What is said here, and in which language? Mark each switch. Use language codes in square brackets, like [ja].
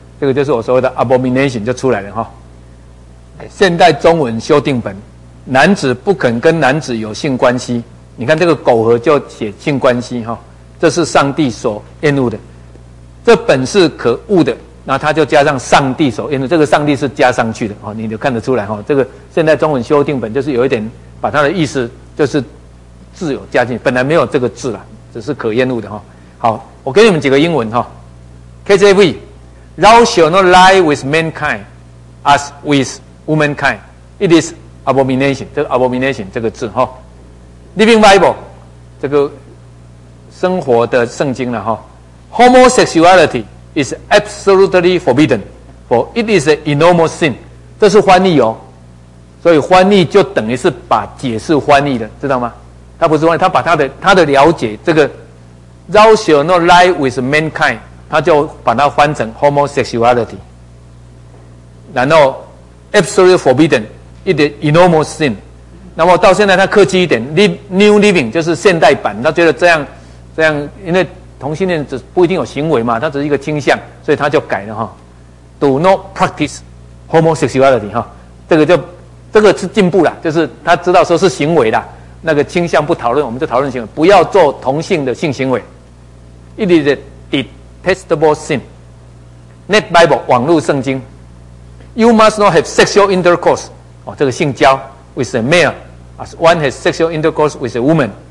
[zh] 这个就是我所谓的 abomination 就出来了哈。现代中文修订本，男子不肯跟男子有性关系，你看这个苟合就写性关系哈，这是上帝所厌恶的。这本是可恶的，那他就加上上帝所厌恶，这个上帝是加上去的哦，你就看得出来哈。这个现代中文修订本就是有一点把它的意思就是字有加进去，本来没有这个字啦，只是可厌恶的哈。好，我给你们几个英文哈 [en] ，KJV， Thou shall not lie with mankind as with womankind， it is abomination， 这个 abomination [zh] 这个字哈。 Living Bible， 这个生活的圣经了哈。 [en] Homosexuality is absolutely forbidden, for it is an enormous sin. [zh] 这是翻译哦，所以翻译就等于是把解释翻译的，知道吗？他不是翻译，他把他的了解，这个 [en] Thou shall not lie with mankind， [zh] 他就把它翻成 homosexuality， 然后 [en] absolutely forbidden, it is enormous sin。 [zh] 那么到现在他客气一点， New Living 就是现代版，他觉得这样，因为同性恋只不一定有行为嘛，他只是一个倾向，所以他就改了哈。 [en] Do not practice homosexuality [zh] 哈，这个是进步了，就是他知道说是行为啦，那个倾向不讨论，我们就讨论行为，不要做同性的性行为。 [en] It is a detestable sin. Net Bible 网络圣经 ，You must not have sexual intercourse 哦， [zh] 这个性交 [en] with a male as one has sexual intercourse with a woman.